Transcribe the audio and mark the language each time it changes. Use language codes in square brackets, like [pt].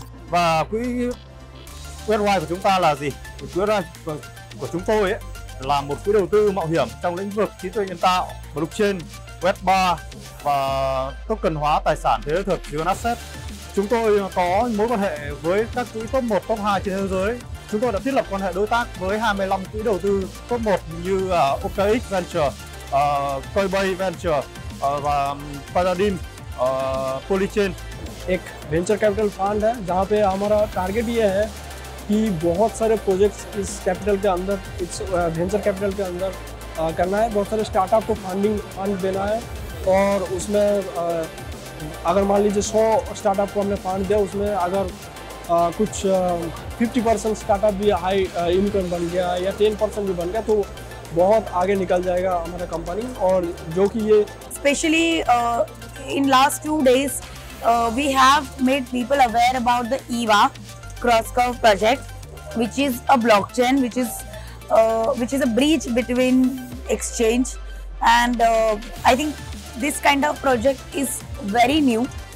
[vi] Và quỹ WebWise của chúng ta là gì? WebWise của chúng tôi là một quỹ đầu tư mạo hiểm trong lĩnh vực trí tuệ nhân tạo, blockchain, Web3 và token hóa tài sản thế giới thực, real asset. Chúng tôi có mối quan hệ với các quỹ top 1, top 2 trên thế giới chúng tôi đã thiết lập quan hệ đối tác với 25 quỹ đầu tư top 1 như OKX Venture, Coinbase Venture và Paradigm, Polychain. [hi] एक venture capital fund है जहाँ पे हमारा target ये है कि बहुत सारे प्रोजेक्ट्स इस कैपिटल के अंदर इस वेंचर कैपिटल के अंदर करना है, बहुत सारे स्टार्टअप को फंडिंग फंड देना है और उसमें अगर मान लीजिए 100 स्टार्टअप को हमने फंड दिया उसमें अगर कुछ 50% स्टार्टअप भी हाई इनकम बन गया या 10% भी बन गया तो बहुत आगे निकल जाएगा हमारा कंपनी और जो कि ये [en] Specially in last 2 days we have made people aware about the EVA CrossCurve project, which is a blockchain, which is a bridge between exchange. And I think this kind of project is very new.